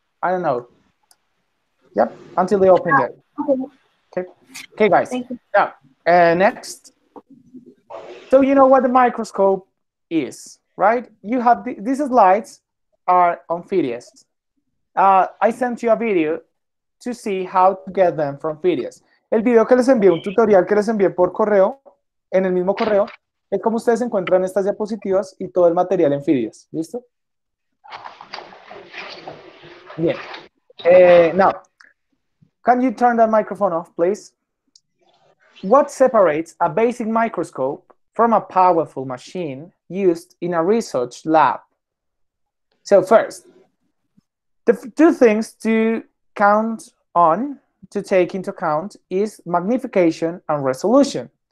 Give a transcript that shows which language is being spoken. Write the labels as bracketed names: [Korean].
[English] I don't know. Yep, until the open day. Okay, guys. Thank you. Yeah. Next. So you know what the microscope is, right? You have these slides are amphibious. I sent you a video to see how to get them from amphibious. [Spanish] El video que les envié, un tutorial que les envié por correo, en el mismo correo, es como ustedes encuentran estas diapositivas y todo el material en amphibious. ¿Listo? [English] Yeah. Now, can you turn that microphone off, please? What separates a basic microscope from a powerful machine used in a research lab? So first, the two things to count on, to take into account, is magnification and resolution.